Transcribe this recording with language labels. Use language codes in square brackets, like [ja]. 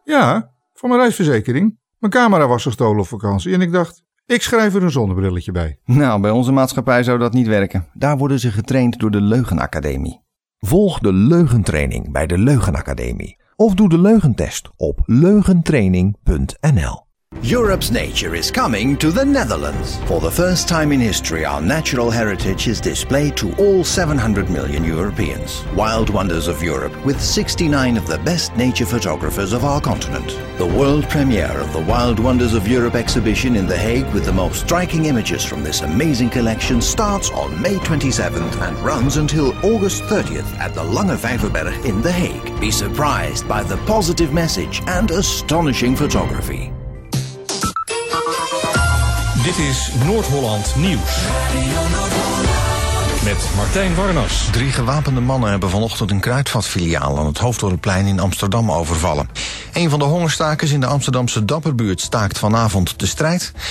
[nl] Ja, van mijn reisverzekering. Mijn camera was gestolen op vakantie en ik dacht, ik schrijf er een zonnebrilletje bij. Nou, bij onze maatschappij zou dat niet werken. Daar worden ze getraind door de Leugenacademie. Volg de leugentraining bij de Leugenacademie. Of doe de leugentest op leugentraining.nl. [en] Europe's nature is coming to the Netherlands. For the first time in history, our natural heritage is displayed to all 700 million Europeans. Wild Wonders of Europe, with 69 of the best nature photographers of our continent. The world premiere of the Wild Wonders of Europe exhibition in The Hague with the most striking images from this amazing collection starts on May 27th and runs until August 30th at the Lange Vijverberg in The Hague. Be surprised by the positive message and astonishing photography. [nl] Dit is Noord-Holland Nieuws. Met Martijn Warnas. Drie gewapende mannen hebben vanochtend een kruidvatfiliaal aan het Hoofddorpplein in Amsterdam overvallen. Een van de hongerstakers in de Amsterdamse Dapperbuurt staakt vanavond de strijd.